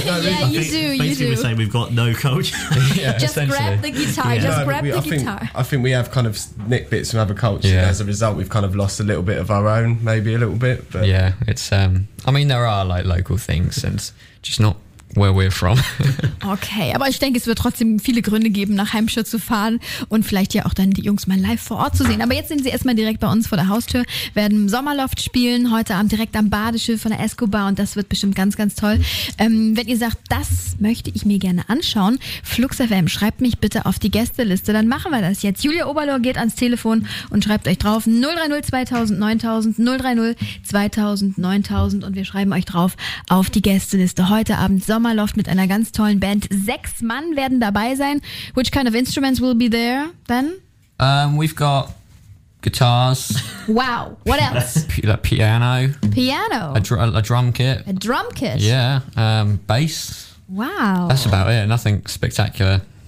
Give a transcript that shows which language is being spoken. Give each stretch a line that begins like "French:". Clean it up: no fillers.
English: Basically, we're saying we've got no culture. Just grab the guitar. I think we have kind of nicked bits from other culture. Yeah. As a result, we've kind of lost a little bit of our own, maybe a little bit. But yeah, it's. I mean, there are local things, and just not where we're from.
German: Okay, aber ich denke, es wird trotzdem viele Gründe geben, nach Heimscher zu fahren und vielleicht ja auch dann die Jungs mal live vor Ort zu sehen. Aber jetzt sind sie erstmal direkt bei uns vor der Haustür, werden Sommerloft spielen, heute Abend direkt am Badeschiff von der Escobar, und das wird bestimmt ganz, ganz toll. Wenn ihr sagt, das möchte ich mir gerne anschauen, FluxFM, schreibt mich bitte auf die Gästeliste, dann machen wir das jetzt. Julia Oberlohr geht ans Telefon und schreibt euch drauf 030 2000 9000 030 2000 9000, und wir schreiben euch drauf auf die Gästeliste. Heute Abend Sommerloft mit einer ganz tollen Band. 6 Mann werden dabei sein.
English: Which kind of instruments will be there then? We've got guitars. Wow. What else? Piano. Piano. A drum kit. A drum kit. Yeah. Bass. Wow. That's about it. Nothing spectacular.